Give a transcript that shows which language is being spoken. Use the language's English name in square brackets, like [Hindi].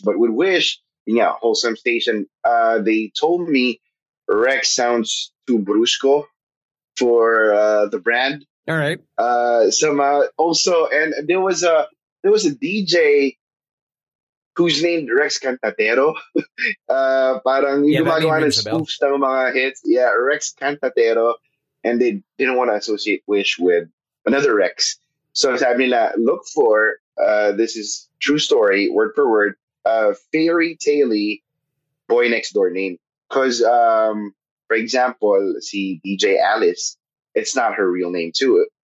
[English] But with Wish, yeah, Wholesome Station, they told me Rex sounds too brusco for the brand. All right. There was a DJ who's named Rex Cantatero. [Filipino] Parang gumagawa ng spoofs ng mga hits. [English] Yeah, Rex Cantatero. And they didn't want to associate Wish with another Rex. So [Filipino] sabi nila, [English] look for, this is true story, word for word, fairy tale-y boy next door name. Because, for example, si DJ Alice, it's not her real name too.